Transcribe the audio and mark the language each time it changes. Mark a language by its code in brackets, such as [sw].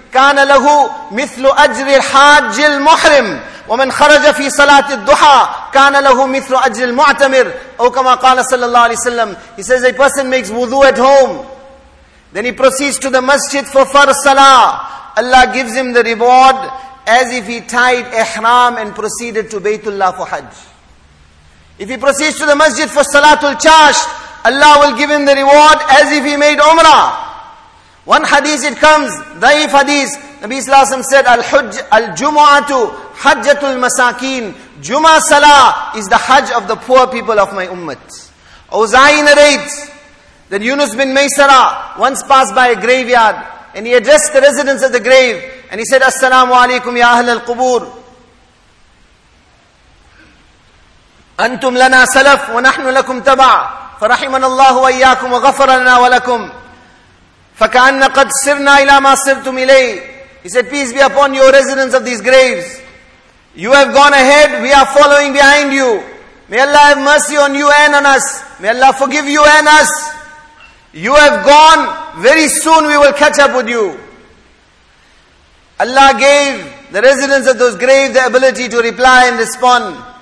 [ar] كان له مثل أجر الحاج المحرم ومن خرج في صلاة الضحى كان له مثل أجر المعتمر أو كما قال صلى الله عليه وسلم. [en] He says a person makes wudu at home, then he proceeds to the masjid for farz salah. Allah gives him the reward as if he tied ihram and proceeded to Baytullah for Hajj. If he proceeds to the masjid for salatul chasht, Allah will give him the reward as if he made Umrah. One hadith it comes, daif hadith, Nabi sallallahu alaihi wasallam said, [ar] Al-Hujj al-Jumu'atu hajjatul masakin. [en] Juma salah is the hajj of the poor people of my ummah. Auza'i narrates that Yunus bin Maysara once passed by a graveyard and he addressed the residents of the grave And he said, [ar] Assalamu alaikum ya ahl al-qubur. Antum lana salaf wa nahnu lakum taba'a. فَرَحِمَنَ اللَّهُ وَإِيَّاكُمْ وَغَفَرَ لَنَا وَلَكُمْ فَكَأَنَّ قَدْ سِرْنَا إِلَى مَا سِرْتُمْ إِلَيْهِ. [en] He said, peace be upon you, residents of these graves. You have gone ahead, we are following behind you. May Allah have mercy on you and on us. May Allah forgive you and us. You have gone, very soon we will catch up with you. Allah gave the residents of those graves the ability to reply and respond.